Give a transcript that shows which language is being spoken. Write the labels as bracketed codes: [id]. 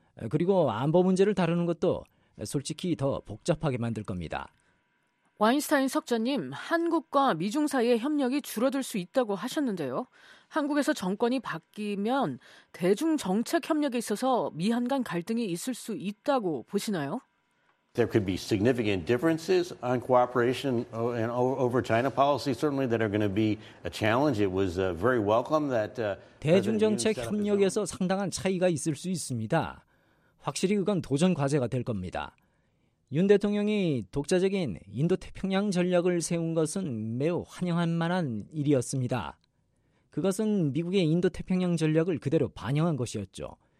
[ko] 그리고 안보 문제를 다루는 것도 솔직히 더 복잡하게 만들 겁니다. 와인스타인 석전님, 한국과 미중 사이의 협력이 줄어들 수 있다고 하셨는데요. 한국에서 정권이 바뀌면 대중 정책 협력에 있어서 미한 간 갈등이 있을 수 있다고 보시나요? [en] There could be significant differences on cooperation and over China policy certainly that are going to be a challenge. It was very welcome that [ko] 대중정책 협력에서 상당한 차이가 있을 수 있습니다. 확실히 그건 도전 과제가 될 겁니다. 윤 대통령이 독자적인 인도태평양 전략을 세운 것은 매우 환영할 만한 일이었습니다. 그것은 미국의 인도태평양 전략을 그대로 반영한 것이었죠.